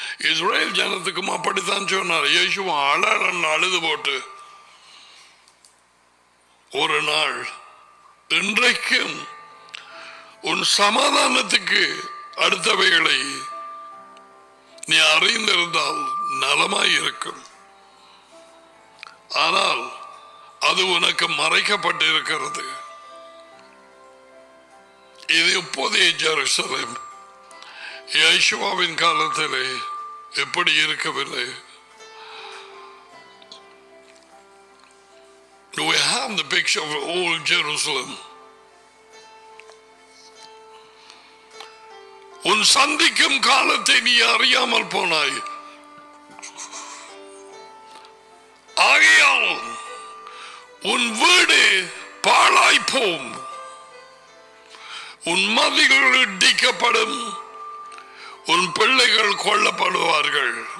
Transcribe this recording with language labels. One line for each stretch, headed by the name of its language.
Tamil: Israel ஜனத்துக்கும் அப்படித்தான் சொன்னார். இயேசுவும் அழறன் அழுது போட்டு ஒரு நாள், இன்றைக்கும் உன் சமாதானத்துக்கு அடுத்தவைகளை நீ அறிந்திருந்தால் நலமாயிருக்கும், ஆனால் அது உனக்கு மறைக்கப்பட்டிருக்கிறது. இது இப்போதைய ஜெருசலேம், யேசுவாவின் காலத்திலே எப்படி இருக்கவில்லை.
English: Do we have the picture of old Jerusalem?
Tamil: உன் சந்திக்கும் காலத்தை நீ அறியாமல் போனாய், ஆகையால் உன் வீடு பாழாய்ப்போம், உன் மதிகள் இடிக்கப்படும், உன் பிள்ளைகள் கொல்லப்படுவார்கள்.